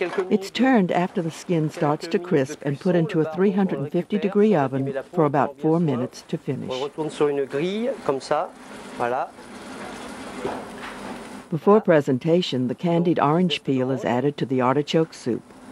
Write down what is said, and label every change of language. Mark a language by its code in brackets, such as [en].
[en] It's turned after the skin starts to crisp and put into a 350 degree oven for about 4 minutes to finish. [fr] On retourne sur une grille comme ça, voilà. [en] Before presentation, the candied orange peel is added to the artichoke soup.